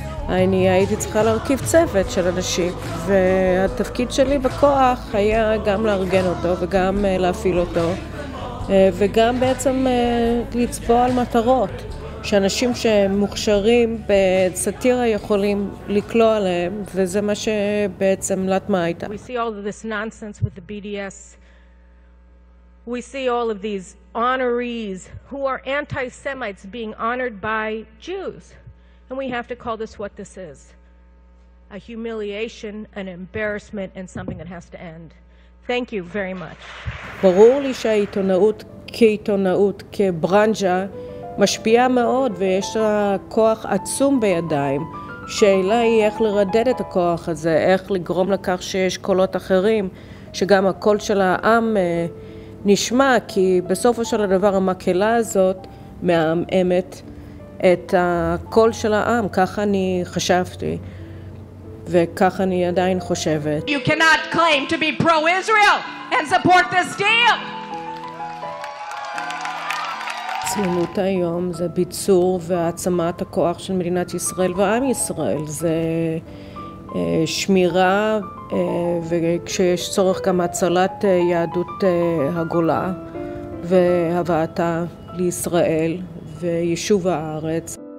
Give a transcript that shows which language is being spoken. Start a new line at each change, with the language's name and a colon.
Hebrew: אני הייתי צריכה להרכיב צוות של אנשים, והתפקיד שלי בכוח היה גם לארגן אותו וגם להפעיל אותו, וגם בעצם לצבוע על מטרות שאנשים שמוכשרים בסאטירה יכולים לקלוע עליהם, וזה מה שבעצם לטמה הייתה.
English: We see all of this nonsense with the BDS. we see all of these honorees who are anti-Semites being honored by Jews. And we have to call this what this is. A humiliation, an embarrassment, and something that has to end. Thank you very much.
Hebrew: ברור לי שהעיתונאות כעיתונאות, כברנג'ה, משפיעה מאוד ויש לה כוח עצום בידיים. שאלה היא איך לרדד את הכוח הזה, איך לגרום לכך שיש קולות אחרים, שגם הקול של העם נשמע, כי בסופו של הדבר המקהלה הזאת מעמעמת את הקול של העם, כך אני חשבתי. וכך אני עדיין חושבת.
English: You cannot claim to be pro-Israel and support this deal.
Hebrew: ציונות היום זה ביצור והעצמת הכוח של מדינת ישראל ועם ישראל. זה שמירה וכשיש צורך גם הצלת יהדות הגולה והבאתה לישראל וישוב הארץ.